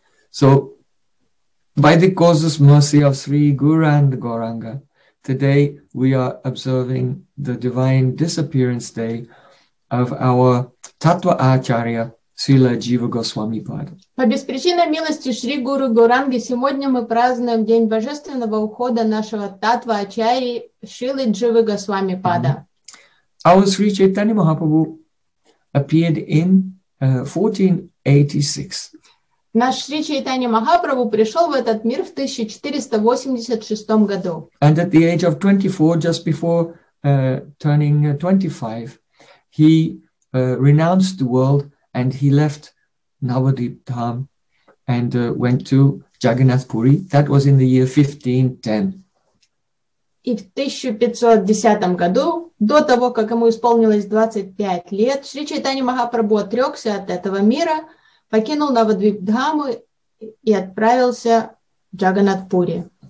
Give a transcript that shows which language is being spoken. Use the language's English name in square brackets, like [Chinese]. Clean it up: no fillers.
[English] So, by the causeless mercy of Sri Guru and Gauranga, today we are observing the Divine Disappearance Day of our Tattva Acharya, Srila Jiva Госвами Пад. [Russian] По беспричинной милости Шри Гуру Гуранги сегодня мы празднуем День Божественного Ухода нашего Татва Ачарьи Шрилы Дживы Госвами Пада. [English] Our Sri Chaitanya Mahaprabhu appeared in 1486. [Russian] Наш Шри Чайтанья Махапрабху пришел в этот мир в 1486 году. [English] And at the age of 24, just before turning 25, he renounced the world. And he left Navadvip Dham and went to Jagannath Puri. That was in the year 1510. [Russian] И в 1510 году, до того, как ему исполнилось 25 лет, Шри Чайтанья Махапрабху отрекся от этого мира, покинул Навадвип Дхаму и отправился в Джаганнат Пури.